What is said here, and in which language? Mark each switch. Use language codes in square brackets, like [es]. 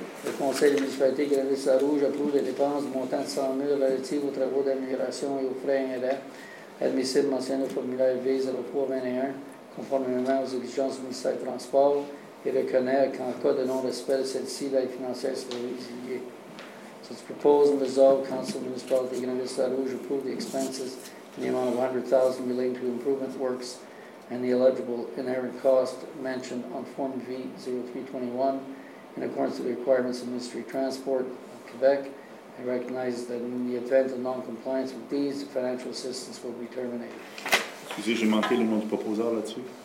[fr] Le conseil de municipalité de Grande-Rouge approuve les dépenses montant de 100 000 relatives aux travaux d'amélioration et aux frais inhérents admissibles mentionnés au formulaire V0421, conformément aux exigences du ministère des Transports, et reconnaît qu'en cas de non-respect de celle-ci, l'aide financière sera résiliée. [en] So it's proposed and resolved, Council of Municipality of Grande-Rouge approve the expenses in the amount of $100,000 relating to improvement works and the eligible inherent cost mentioned on Form V0321 in accordance with the requirements of the Ministry of Transport of Quebec, and recognizes that in the event of non-compliance with these, financial assistance will be terminated. [fr] Excusez, j'ai manqué le mot de proposeur là-dessus.